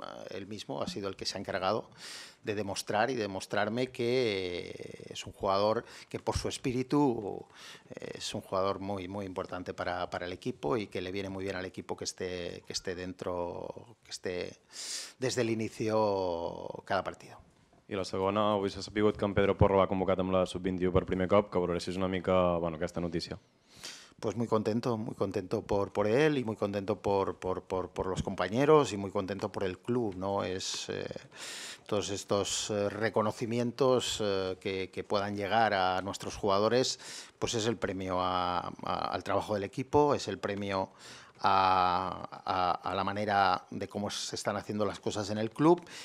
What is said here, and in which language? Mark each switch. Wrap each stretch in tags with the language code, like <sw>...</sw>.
<es>él mismo ha sido el que se ha encargado de demostrar y demostrarme que es un jugador que por su espíritu es un jugador muy, muy importante para el equipo y que le viene muy bien al equipo que esté dentro, que esté desde el inicio cada partido.</es> <ca>I la segona, avui s'ha sabut que en Pedro Porro va convocat amb la sub-21 per primer cop, que valoressis una mica, bueno, aquesta notícia.</ca> <es>Pues muy contento por él y muy contento por los compañeros y muy contento por el club, ¿no? Es todos estos reconocimientos que puedan llegar a nuestros jugadores, pues es el premio al trabajo del equipo, es el premio a la manera de cómo se están haciendo las cosas en el club.</es>